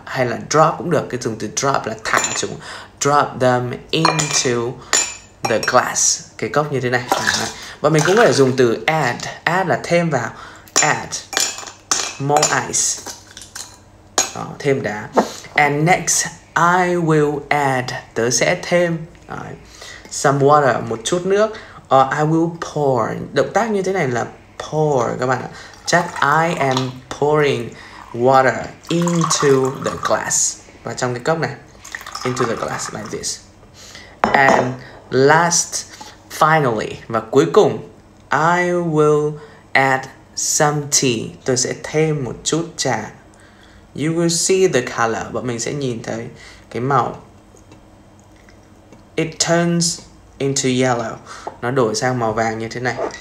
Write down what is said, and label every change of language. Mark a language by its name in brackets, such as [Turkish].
[Vietnamese] Hay là drop cũng được. Cái dùng từ drop là thả chúng. [English] Drop them into the glass. [Vietnamese] Cái cốc như thế này. Và mình cũng có thể dùng từ add. Add là thêm vào. [English] Add more ice. [Vietnamese] Đó, thêm đá. [English] And next I will add. [Vietnamese] Tớ sẽ thêm [English] some water. [Vietnamese] Một chút nước. [English] Or I will pour. [Vietnamese] Động tác như thế này là pour các bạn ạ. Chắc [English] I am pouring water into the glass. [Vietnamese] Và trong cái cốc này. [English] Into the glass like this. And last, finally, [Vietnamese] và cuối cùng, [English] I will add some tea. [Vietnamese] Tôi sẽ thêm một chút trà. [English] You will see the color. [Vietnamese] Và mình sẽ nhìn thấy cái màu. [English] It turns into yellow. [Vietnamese] Nó đổi sang màu vàng như thế này.